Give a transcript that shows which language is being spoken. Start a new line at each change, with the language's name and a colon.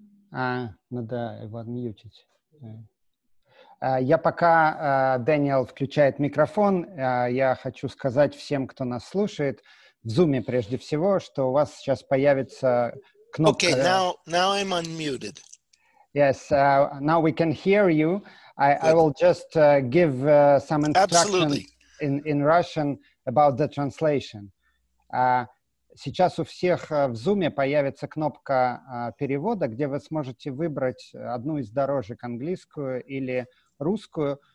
Russian: Надо его отмьютить. Я пока Daniel включает микрофон, я хочу сказать всем, кто нас слушает, в Zoom'е прежде всего, что у вас сейчас появится кнопка...
English: Okay, now I'm unmuted. Yes, now we can hear you. I will just give some instructions in Russian about the translation.
Russian: Сейчас у всех в Zoom'е появится кнопка перевода, где вы сможете выбрать одну из дорожек, английскую или русскую.